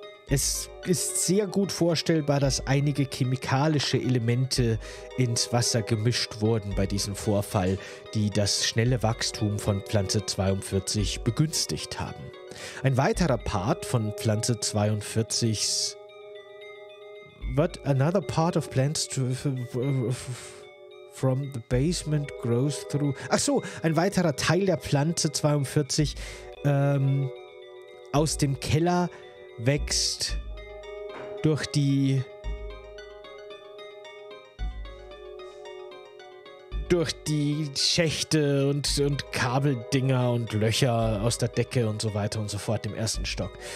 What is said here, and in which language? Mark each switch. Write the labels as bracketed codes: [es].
[de] Es ist sehr gut vorstellbar, dass einige chemikalische Elemente ins Wasser gemischt wurden bei diesem Vorfall, die das schnelle Wachstum von Pflanze 42 begünstigt haben. Ein weiterer Part von Pflanze 42s [en] But another part of plants from the basement grows through. [de] Ach so, ein weiterer Teil der Pflanze 42 aus dem Keller wächst durch die. Durch die Schächte und Kabeldinger und Löcher aus der Decke und so weiter und so fort im ersten Stock.